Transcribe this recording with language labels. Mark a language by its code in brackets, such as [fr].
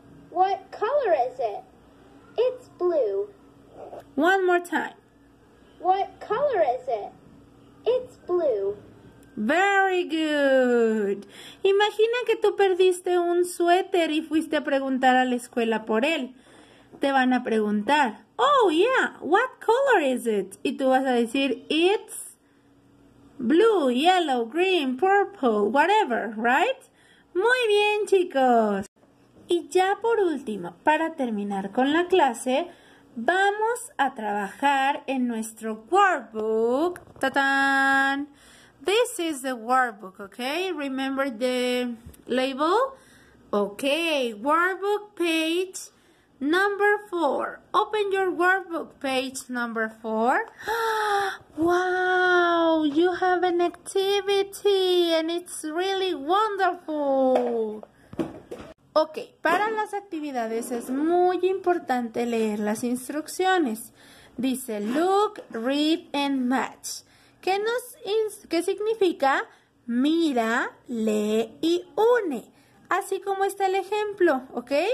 [en] What color is it? It's blue. One more time. What color is it? It's blue. Very good. [es] Imagina que tú perdiste un suéter y fuiste a preguntar a la escuela por él. Te van a preguntar, [en] oh yeah, what color is it? [es] Y tú vas a decir, [en] it's blue, yellow, green, purple, whatever, right? [es] Muy bien, chicos. Y ya por último, para terminar con la clase, vamos a trabajar en nuestro workbook. [en] ¡Tatán! This is the workbook, okay? Remember the label? Okay, workbook page number 4. Open your workbook page number 4. Wow, you have an activity and it's really wonderful. [es] Ok, para las actividades es muy importante leer las instrucciones. [en] Dice, look, read and match. [es] ¿Qué significa? Mira, lee y une. Así como está el ejemplo, ¿ok?